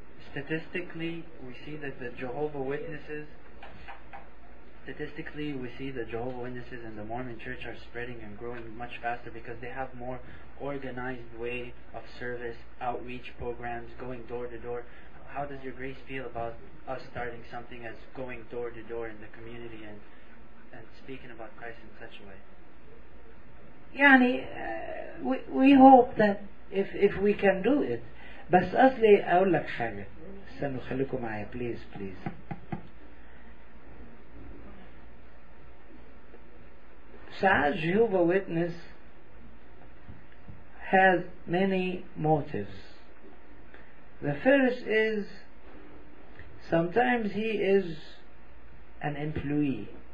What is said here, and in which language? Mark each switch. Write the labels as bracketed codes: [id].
[en] Statistically, we see that the Jehovah Witnesses. Statistically, we see the Jehovah's Witnesses and the Mormon Church are spreading and growing much faster because they have more organized way of service, outreach programs, going door to door. How does your grace feel about us starting something as going door to door in the community and speaking about Christ in such a way? Yani, we hope that if we can do it. [ar] بس أصلي أقول لك حاجة. استنوا خليكم معايا, [en] please, please. Saj Jehovah Witness has many motives. The first is sometimes he is an employee.